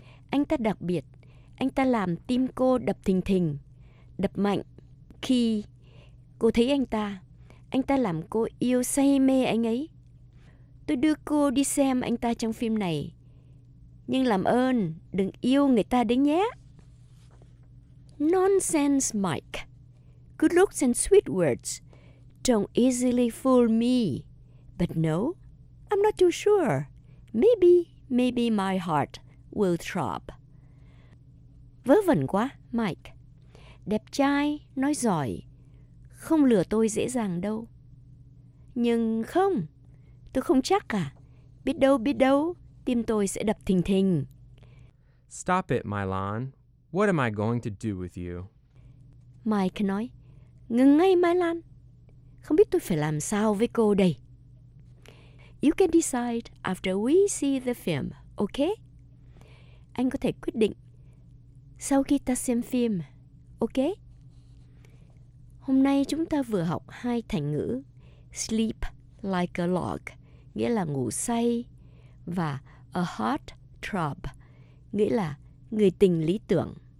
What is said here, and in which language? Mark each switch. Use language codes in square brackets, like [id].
[vi] Anh ta đặc biệt, anh ta làm tim cô đập thình thình, đập mạnh. Khi cô thấy anh ta làm cô yêu say mê anh ấy. Tôi đưa cô đi xem anh ta trong phim này. Nhưng làm ơn, đừng yêu người ta đấy nhé. [en] Nonsense, Mike. Good looks and sweet words don't easily fool me. But no, I'm not too sure. Maybe, maybe my heart will throb. [vi] Vớ vẩn quá, Mike. Đẹp trai, nói giỏi. Không lừa tôi dễ dàng đâu. Nhưng không, tôi không chắc cả. Biết đâu, tim tôi sẽ đập thình thình. [en] Stop it, Mylon. What am I going to do with you? [vi] Mike nói, ngừng ngay, Mylon. Không biết tôi phải làm sao với cô đây. [en] You can decide after we see the film, okay? [vi] Anh có thể quyết định sau khi ta xem phim, okay? Hôm nay chúng ta vừa học hai thành ngữ, [en] sleep like a log, [vi] nghĩa là ngủ say, và a hot trob, nghĩa là người tình lý tưởng.